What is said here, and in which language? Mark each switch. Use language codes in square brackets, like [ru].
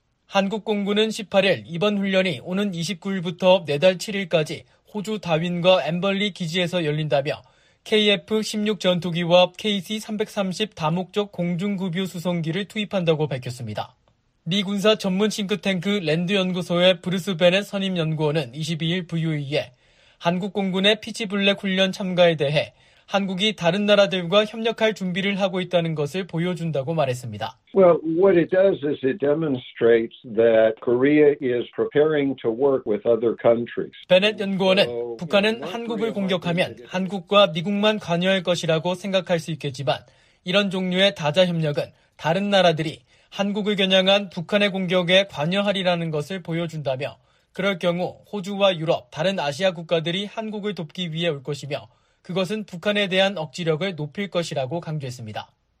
[ko] 한국공군은 18일 이번 훈련이 오는 29일부터 내달 7일까지 호주 다윈과 앰벌리 기지에서 열린다며 KF-16 전투기와 KC-330 다목적 공중급유 수송기를 투입한다고 밝혔습니다. 미 군사 전문 싱크탱크 랜드연구소의 브루스 베넷 선임연구원은 22일 VOA에 한국공군의 피치블랙 훈련 참가에 대해 한국이 다른 나라들과 협력할 준비를 하고 있다는 것을 보여준다고 말했습니다. [en] Well, what it does is it demonstrates that Korea is preparing to work with other countries. [ko] 베넷 연구원은 북한은 한국을 공격하면 한국과 미국만 관여할 것이라고 생각할 수 있겠지만 이런 종류의 다자 협력은 다른 나라들이 한국을 겨냥한 북한의 공격에 관여하리라는 것을 보여준다며 그럴 경우 호주와 유럽, 다른 아시아 국가들이 한국을 돕기 위해 올 것이며 그것은 북한에 대한 억지력을 높일 것이라고 강조했습니다.